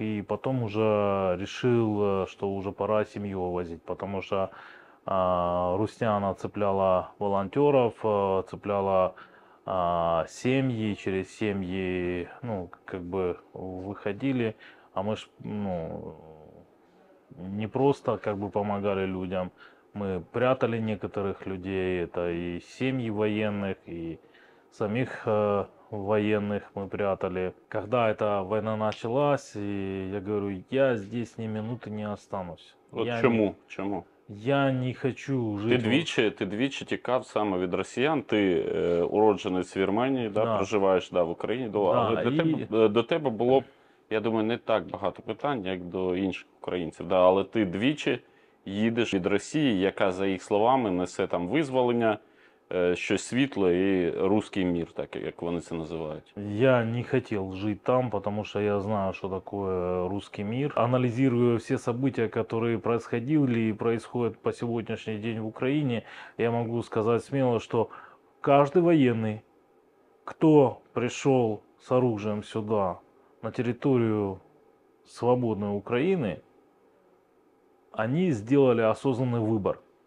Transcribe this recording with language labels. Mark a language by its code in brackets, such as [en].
[ru] И потом уже решил, что уже пора семью увозить, потому что Русняна цепляла волонтеров, цепляла семьи, через семьи, ну, как бы выходили, а мы ж, ну, не просто как бы помогали людям, мы прятали некоторых людей, это и семьи военных, и самих военных мы прятали. Когда эта война началась, и я говорю, я здесь ни минуты не останусь, Вот чему? Чему? я не хочу [uk] Ти [ru] жить в... [uk] двічі тікав саме від росіян. Ти уродженець Вірменії, да, проживаєш да, в Україні. Але до тебе було, я думаю, не так багато питань, як до інших українців. Да, але ти двічі їдеш від Росії, яка, за їх словами, несе там визволення, щось світле і русський мір, так як вони це називають. [ru] Я не хотел жить там, потому что я знаю, что такое русский мир. Анализируя все события, которые происходили и происходят по сегодняшний день в Украине, я могу сказать смело, что каждый военный, кто пришел с оружием сюда, на территорию свободной Украины, они сделали осознанный выбор.